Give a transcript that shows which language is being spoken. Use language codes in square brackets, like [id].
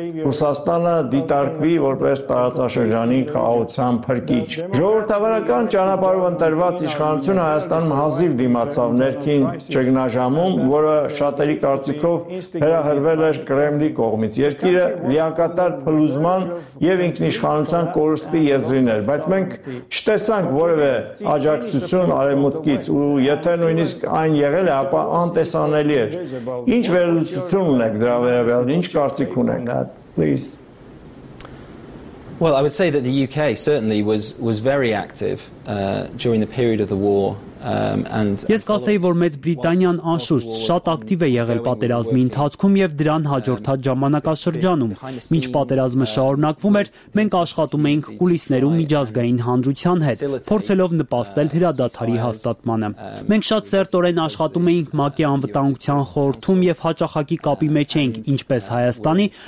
[hy] Ռուսաստանը դիտարկվի որպես տարածաշրջանի քաղաքական փրկիչ։ Ժողովրդավարական ճանապարհով ընտրված իշխանությունը Հայաստանում հազիվ դիմացավ ներքին ճգնաժամում, որը շատերի կարծիքով հրահրվել էր Կրեմլի կողմից։ Երկիրը լիակատար փլուզման եւ ինքնիշխանության կորստի եզրիներ, բայց մենք չտեսանք որևէ աջակցություն արևմուտքից, ու եթե նույնիսկ այն եղել է, ապա անտեսանելի էր։ Ինչ վերլուծություն ունեք դրա վերաբերյալ, ինչ կարծիք ունեք, [en] please? Well, I would say that the UK certainly was very active during the period of the war. [hy] Ես կասեի, որ Մեծ Բրիտանիան անշուշտ շատ ակտիվ է եղել պատերազմի ընթացքում եւ դրան հաջորդած ժամանակաշրջանում։ Մինչ պատերազմը շարունակվում էր, մենք աշխատում էինք կուլիսներում միջազգային հանրության հետ, փորձելով նպաստել հրադադարի հաստատմանը։ Մենք շատ սերտորեն աշխատում էինք ՄԱԿ-ի անվտանգության խորհրդում եւ հաճախակի կապի մեջ էինք, ինչպես Հայաստանի,